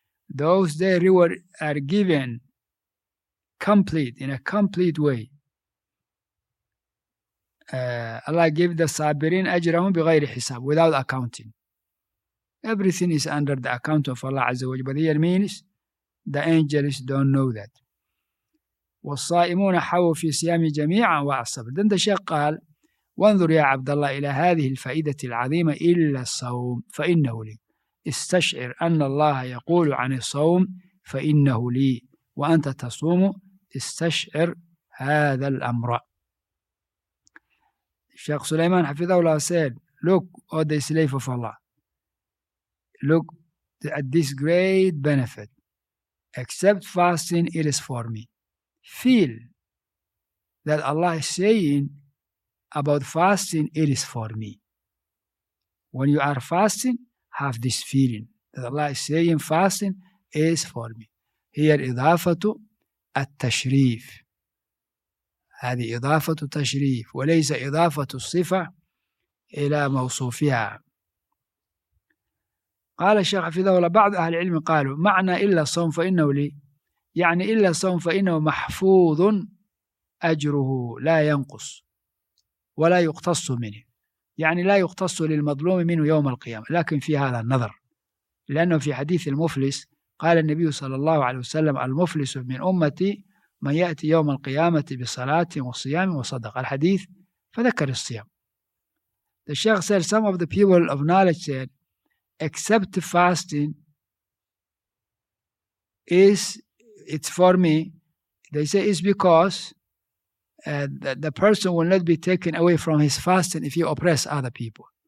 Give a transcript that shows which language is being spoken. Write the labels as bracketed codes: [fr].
[en] Those day reward are given complete, in a complete way. Allah gave the sabirin [ar] أَجْرَهُمْ بِغَيْرِ حِسَابٍ, [en] without accounting. Everything is under the account of Allah Azza wa Jalla. But here means the angels don't know that. وَالصَّائِمُونَ حَوُّ فِي سِيَامِ جَمِيعًا وَأَصَبْرٍ. Then the Shaykh [ar] قال, وانظر يا عبد الله إلى هذه الفائدة العظيمة إلا الصوم فإنه لي. استشعر أن الله يقول عن الصوم فإنه لي وأنت تصوم استشعر هذا الأمر. [en] الشيخ سليمان [ar] حفظه الله [en] said, look at the slave of Allah. Look at this great benefit. Except fasting, it is for me. Feel that Allah is saying about fasting, it is for me. When you are fasting, have this feeling that Allah is saying fasting is for me. Here, [ar] إضافة التشريف. هذه إضافة تشريف وليس إضافة الصفة إلى موصوفها. قال الشيخ حفظه الله, بعض أهل العلم قالوا معنى إلا الصوم فإنه لي, يعني إلا الصوم فإنه محفوظ أجره لا ينقص ولا يقتص منه, يعني لا يقتص للمظلوم منه يوم القيامة. لكن في هذا النظر, لأنه في حديث المفلس قال النبي صلى الله عليه وسلم, المفلس من أمتي من يأتي يوم القيامة بصلاة وصيام وصدق. الحديث فذكر الصيام. [en] The Sheikh said some of the people of knowledge said except fasting is it's for me. They say it's because the person will not be taken away from his fasting if you oppress other people.